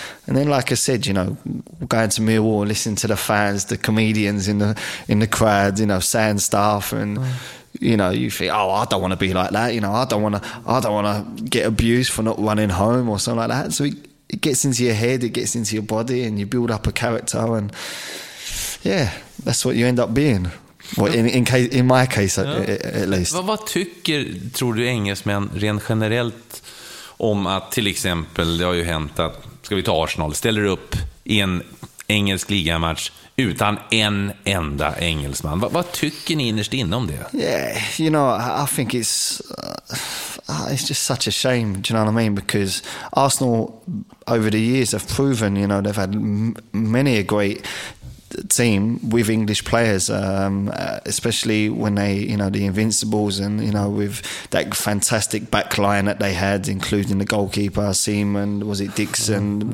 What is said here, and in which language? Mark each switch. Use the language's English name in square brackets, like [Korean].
[English] And then, like I said, you know, going to Millwall, listening to the fans, the comedians in the crowd, you know, saying stuff, and you know, you think, oh, I don't want to be like that, you know, I don't want to get abused for not running home or something like that. So it gets into your head, it gets into your body, and you build up a character, and yeah, that's what you end up being. Well, in my case, ja. At least. [Swedish] Vad tycker, tror du, engelsmän rent generellt om att, till exempel, det har ju hänt att, ska vi ta Arsenal, ställer upp i en engelsk ligamatch utan en enda engelsman. Vad tycker ni innerst inne om det? [English] Yeah, you know, I think it's just such a shame, do you know what I mean? Because Arsenal over the years have proven, you know, they've had many a great team with English players, especially when they, you know, the Invincibles, and you know, with that fantastic back line that they had, including the goalkeeper, Seaman, was it Dixon,